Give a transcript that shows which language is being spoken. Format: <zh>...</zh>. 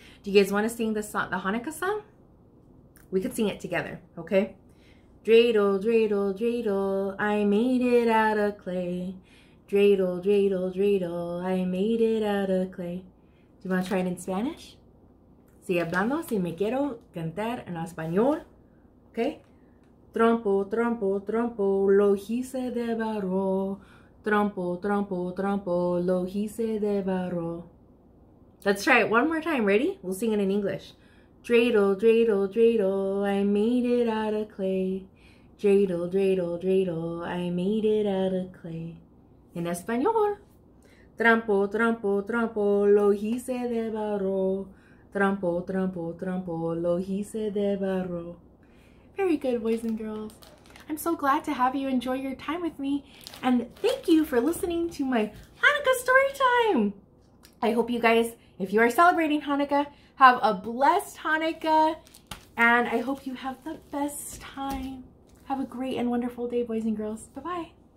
<en>Do you guys want to sing the song, the Hanukkah song? We could sing it together, okay? Dreidel, dreidel, dreidel, I made it out of clay. Dreidel, dreidel, dreidel, I made it out of clay. Do you want to try it in Spanish?</en> <es>Si hablando, si me quiero cantar en español, okay? Trompo, trompo, trompo, lo hice de barro. Trompo, trompo, trompo, lo hice de barro.</es> <en>Let's try it one more time, ready? We'll sing it in English. Dreidel, dreidel, dreidel, I made it out of clay. Dreidel, dreidel, dreidel, I made it out of clay.</en> <es>En español. Trompo, trompo, trompo, lo hice de barro. Trompo, trompo, trompo, lo hice de barro.</es> <en>Very good, boys and girls. I'm so glad to have you enjoy your time with me. And thank you for listening to my Hanukkah story time. I hope you guys, if you are celebrating Hanukkah, have a blessed Hanukkah. And I hope you have the best time. Have a great and wonderful day, boys and girls. Bye-bye.</en>